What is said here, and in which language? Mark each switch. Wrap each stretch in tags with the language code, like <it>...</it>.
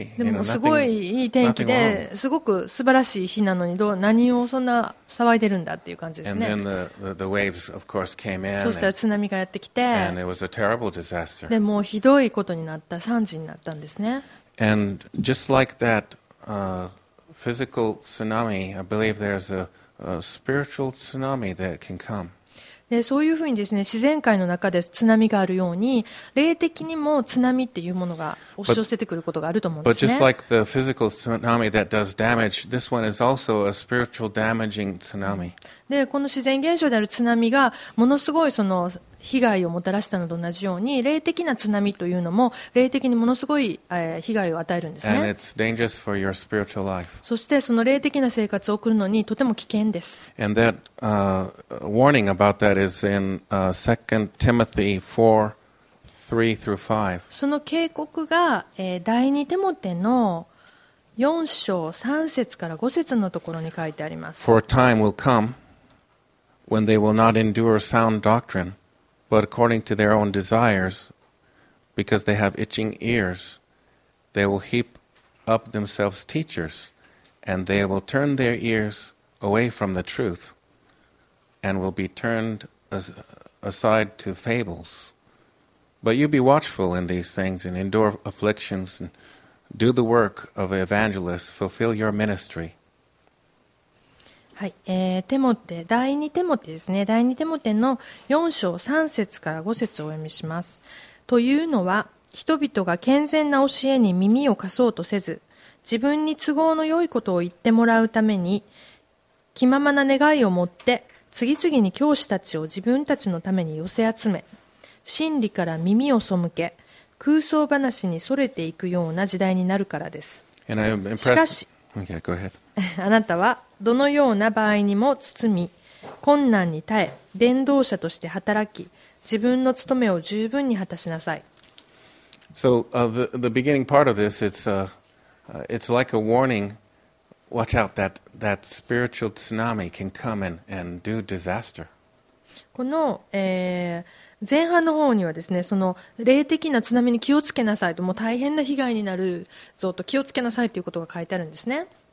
<ja>もすごいいい天気ですごく素晴らしい日なのにどう何をそんな騒いでるんだっていう感じですね。</ja> <en>the waves, of course, came in,</en> <ja>そしたら津波がやってきて</ja> <en>and it was a terrible disaster.</en> <ja>でもうひどいことになった惨事になったんですね。</ja> <en>And just like that, physical tsunami, I believe there's a spiritual tsunami that can come.</en> <ja>でそういうふうにですね、自然界の中で津波があるように霊的にも津波っていうものが押し寄せてくることがあると思うんですね。</ja> <en>But just like the physical tsunami that does damage, this one is also a spiritual damaging tsunami.</en> <ja>でこの自然現象である津波がものすごいその被害をもたらしたのと同じように霊的な津波というのも霊的にものすごい被害を与えるんですね。</ja> <en>And it's dangerous for your spiritual life.</en> <ja>そしてその霊的な生活を送るのにとても危険です。</ja> <en>And that warning about that is in 2 Timothy 4, 3 through 5.</en> <ja>その警告が、第二テモテの4章3節から5節のところに書いてあります。</ja> <en>For a time will come when they will not endure sound doctrine. But according to their own desires, because they have itching ears, they will heap up themselves teachers, and they will turn their ears away from the truth, and will be turned aside to fables. But you be watchful in these things, and endure afflictions, and do the work of evangelists, fulfill your ministry.</en> <ja>はい、テモテ第二テモテですね。第二テモテの4章3節から5節をお読みします。というのは人々が健全な教えに耳を貸そうとせず自分に都合の良いことを言ってもらうために気ままな願いを持って次々に教師たちを自分たちのために寄せ集め真理から耳を背け空想話にそれていくような時代になるからです。しかし</ja> <en>okay, go ahead.</en> <ja>あなたはどのような場合にも包み困難に耐え伝道者として働き自分の務めを十分に果たしなさい。</ja> <en>So, the beginning part of this it's like a warning. Watch out that spiritual tsunami can come and do disaster.</en> <ja>この、前半の方にはですね、その霊的な津波に気をつけなさいと、もう大変な被害になるぞと気をつけなさいということが書いてあるんですね。</ja>